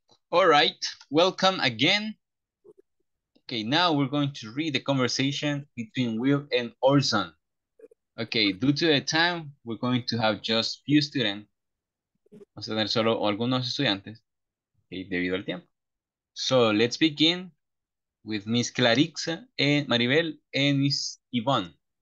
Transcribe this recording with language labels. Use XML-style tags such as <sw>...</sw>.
<en>All right, welcome again. Okay, now we're going to read the conversation between Will and Orson. Okay, due to the time, we're going to have just few students.</en> <es>Vamos a tener solo algunos estudiantes, okay, debido al tiempo.</es> <en>So let's begin with Miss Clarissa and Maribel and Miss Yvonne.</en>